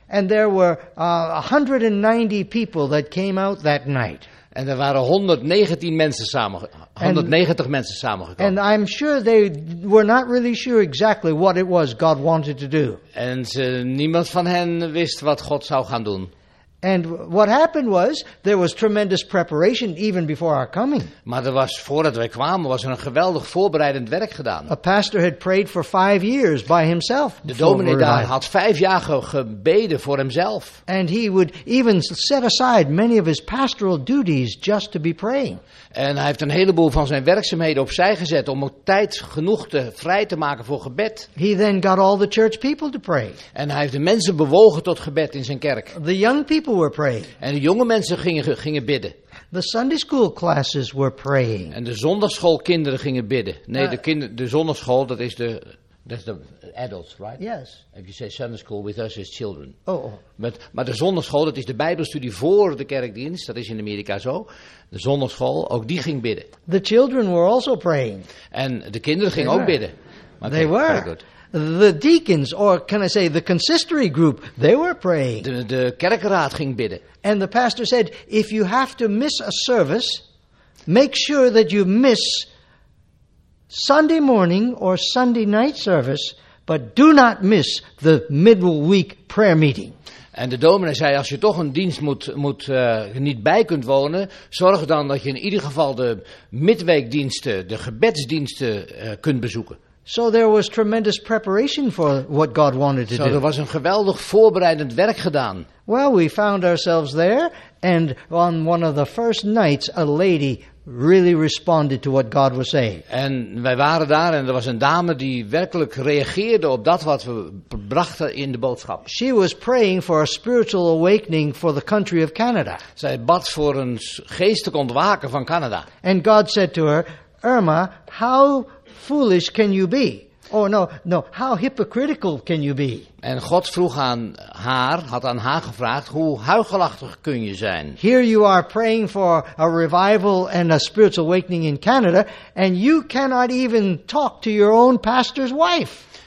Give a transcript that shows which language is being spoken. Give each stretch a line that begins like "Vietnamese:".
English: And there were 190 people that came out that night.
Dutch: En er waren 119 mensen samen, 190 mensen samengekomen.
English: And I'm sure they were not really sure exactly what it was God wanted to do.
Dutch: En niemand van hen wist wat God zou gaan doen.
English: And what happened was there was tremendous preparation even before our coming.
Dutch: Maar er was voordat wij kwamen was er een geweldig voorbereidend werk gedaan.
English: A pastor had prayed for 5 years by himself.
Dutch: De dominee daar had 5 jaar gebeden voor hemzelf.
English: And he would even set aside many of his pastoral duties just to be praying.
Dutch: En hij heeft een heleboel van zijn werkzaamheden opzij gezet om ook tijd genoeg vrij te maken voor gebed.
English: He then got all the church people to pray.
Dutch: En hij heeft de mensen bewogen tot gebed in zijn kerk.
English: The young people were praying.
Dutch: En de jonge mensen gingen bidden.
English: The Sunday school classes were praying.
Dutch: En de zondagsschoolkinderen gingen bidden. Nee, de zondagsschool, dat is de
English: adults, right? Yes. If you say Sunday school, with us is children. Oh.
Dutch: Maar de zondagsschool, dat is de Bijbelstudie voor de kerkdienst. Dat is in Amerika zo. De zondagsschool, ook die ging bidden.
English: The children were also praying.
Dutch: En de kinderen gingen ook bidden.
English: Okay, they were. Very good. The deacons, or can I say the consistory group, they were praying.
Dutch: De kerkenraad ging bidden.
English: And the pastor said, if you have to miss a service, make sure that you miss Sunday morning or Sunday night service, but do not miss the midweek prayer meeting.
Dutch: En de dominee zei, als je toch een dienst niet bij kunt wonen, zorg dan dat je in ieder geval de midweekdiensten, de gebedsdiensten kunt bezoeken.
English: So there was tremendous preparation for what God wanted to do.
Dutch: Er was een geweldig voorbereidend werk gedaan.
English: Well, we found ourselves there, and on one of the first nights, a lady really responded to what God was saying.
Dutch: En wij waren daar, en er was een dame die werkelijk reageerde op dat wat we brachten in de boodschap.
English: She was praying for a spiritual awakening for the country of Canada.
Dutch: Zij bad voor een geestelijk ontwaken van Canada.
English: And God said to her, Irma, how foolish can you be? Oh no, how hypocritical can you be?
Dutch: En God vroeg aan haar, had aan haar gevraagd, hoe huichelachtig kun je zijn?
English: Here you are praying for a revival and a spiritual awakening in Canada, and you cannot even talk to your own pastor's wife.